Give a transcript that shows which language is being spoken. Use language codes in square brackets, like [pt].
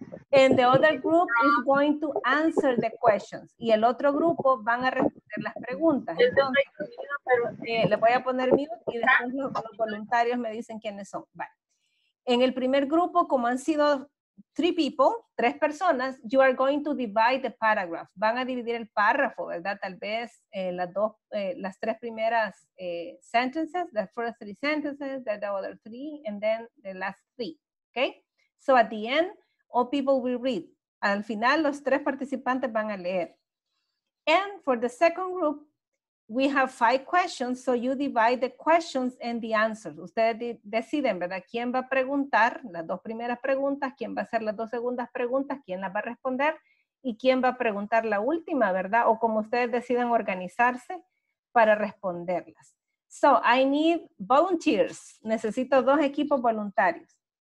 [en] And the other group is going to answer the questions. [es] Y el otro grupo van a responder las preguntas. Entonces, le voy a poner mute y después los voluntarios me dicen quiénes son. Vale. En el primer grupo, como han sido [en] three people, [es] tres personas, [en] you are going to divide the paragraph. [es] Van a dividir el párrafo, ¿verdad? Tal vez las tres primeras sentences, [en] the first three sentences, the other three, and then the last three, okay? So at the end, all people will read. [es] Al final, los tres participantes van a leer. [en] And for the second group, we have five questions, so you divide the questions and the answers. [es] Ustedes deciden, ¿verdad? ¿Quién va a preguntar las dos primeras preguntas? ¿Quién va a hacer las dos segundas preguntas? ¿Quién las va a responder? ¿Y quién va a preguntar la última, verdad? O como ustedes decidan organizarse para responderlas. [en] So, I need volunteers. [es] Necesito dos equipos voluntarios.